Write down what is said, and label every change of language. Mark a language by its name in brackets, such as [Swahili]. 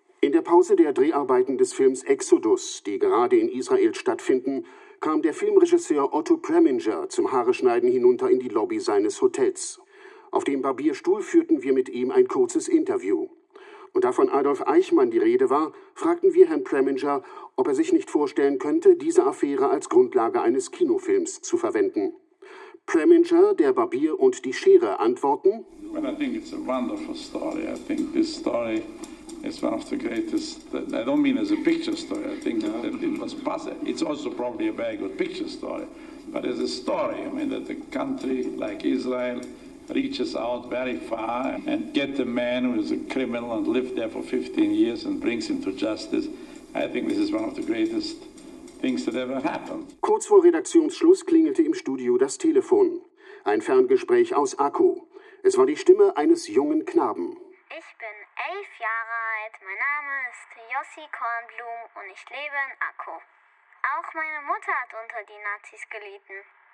[German] In der Pause der Dreharbeiten des Films Exodus, die gerade in Israel stattfinden, kam der Filmregisseur Otto Preminger zum Haareschneiden hinunter in die Lobby seines Hotels. Auf dem Barbierstuhl führten wir mit ihm ein kurzes Interview. Und da von Adolf Eichmann die Rede war, fragten wir Herrn Preminger, ob er sich nicht vorstellen könnte, diese Affäre als Grundlage eines Kinofilms zu verwenden. Preminger, der Barbier und die Schere antworten: [English] Well, I think it's a wonderful story. I think this story is one of the greatest. I don't mean as a picture story. I think that it was passé. It's also probably a very good picture story. But as a story, I mean that a country like Israel reaches out very far and get a man who is a criminal and lived there for 15 years and brings him to justice. I think this is one of the greatest things that ever happened. [German] Kurz vor Redaktionsschluss klingelte im Studio das Telefon. Ein Ferngespräch aus Akku. Es war die Stimme eines jungen Knaben. Ich bin 11 Jahre alt, mein Name ist Yossi Kornblum und ich lebe in Akku. Auch meine Mutter hat unter die Nazis gelitten.